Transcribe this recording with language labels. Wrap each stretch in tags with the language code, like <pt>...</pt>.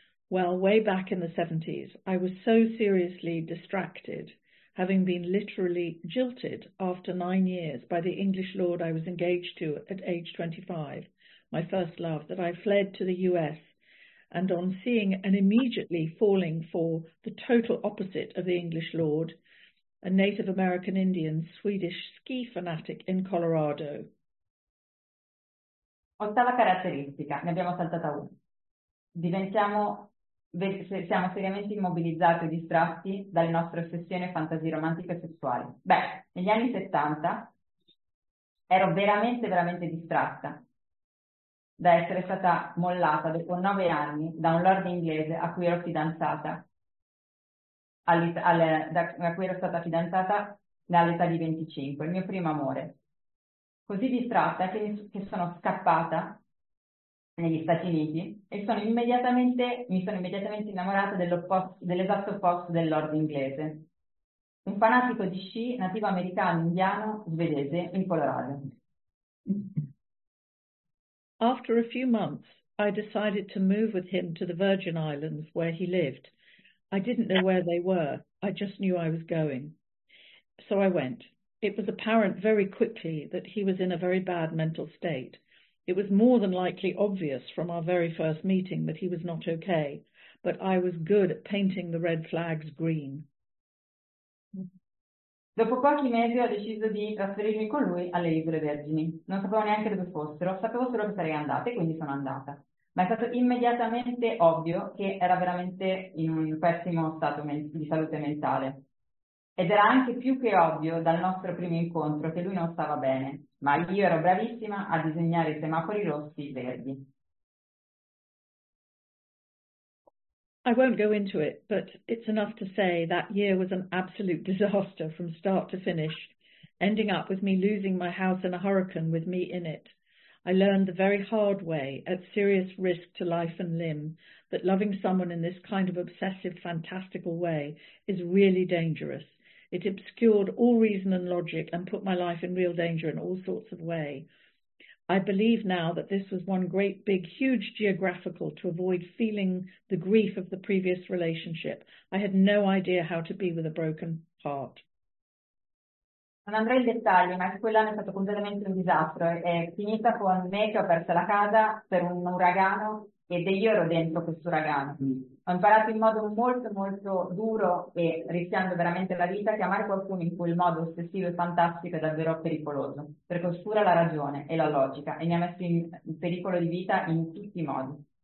<en>Well, way back in the 70s, I was so seriously distracted, having been literally jilted after 9 years by the English lord I was engaged to at age 25, my first love, that I fled to the US. And on seeing and immediately falling for the total opposite of the English lord, a Native American Indian Swedish ski fanatic in Colorado.</en> <it>Ottava caratteristica, ne abbiamo saltata una. Siamo seriamente immobilizzati e distratti dalle nostre ossessioni e fantasie romantiche e sessuali. Beh, negli anni 70 ero veramente, veramente distratta. Da essere stata mollata dopo 9 anni da un lord inglese a cui ero fidanzata, all'età di 25, il mio primo amore. Così distratta che sono scappata negli Stati Uniti e mi sono immediatamente innamorata dell'esatto opposto del lord inglese, un fanatico di sci nativo americano, indiano, svedese in Colorado.</it> <en>After a few months, I decided to move with him to the Virgin Islands where he lived. I didn't know where they were. I just knew I was going. So I went. It was apparent very quickly that he was in a very bad mental state. It was more than likely obvious from our very first meeting that he was not okay, but I was good at painting the red flags green.</en> <it>Dopo pochi mesi ho deciso di trasferirmi con lui alle Isole Vergini. Non sapevo neanche dove fossero, sapevo solo che sarei andata e quindi sono andata. Ma è stato immediatamente ovvio che era veramente in un pessimo stato di salute mentale. Ed era anche più che ovvio dal nostro primo incontro che lui non stava bene, ma io ero bravissima a disegnare i semafori rossi e verdi.</it> <en>I won't go into it, but it's enough to say that year was an absolute disaster from start to finish. ending up with me losing my house in a hurricane with me in it. I learned the very hard way, at serious risk to life and limb, that loving someone in this kind of obsessive, fantastical way is really dangerous. It obscured all reason and logic and put my life in real danger in all sorts of way. I believe now that this was one great, big, huge geographical to avoid feeling the grief of the previous relationship. I had no idea how to be with a broken heart.</en> <it>Non andrei in dettaglio, ma anche quell'anno è stato completamente un disastro. È finita con me che ho perso la casa per un uragano ed io ero dentro questo uragano. Ho imparato in modo molto, molto duro e rischiando veramente la vita che amare qualcuno in quel modo ossessivo e fantastico è davvero pericoloso, perché oscura la ragione e la logica e mi ha messo in pericolo di vita in tutti i modi.</it>